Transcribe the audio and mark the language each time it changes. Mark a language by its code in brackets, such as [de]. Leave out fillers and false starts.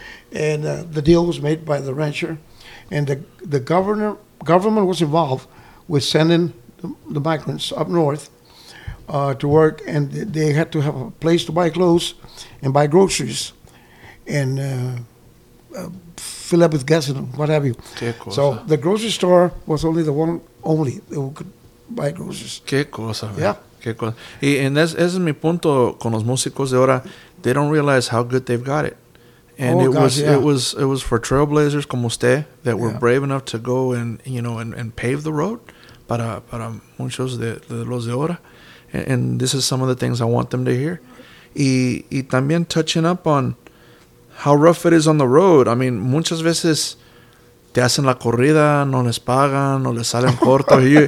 [en] And the deal was made by the rancher. And the government was involved with sending the migrants up north to work. And they had to have a place to buy clothes and buy groceries. And fill up with gas and what have you. So the grocery store was only the one only that we could buy groceries. [es] Qué cosa, man. [en] Yeah. [es] Qué cosa. Y ese es mi punto con los músicos de ahora. [en] They don't realize how good they've got it. And it was for trailblazers [es] como usted [en] that were brave enough to go and, you know, and pave the road [es] para muchos de los de ahora. [en] And this is some of the things I want them to hear. [es] Y también [en] touching up on how rough it is on the road. I mean, [es] muchas veces te hacen la corrida, no les pagan, no les salen corto.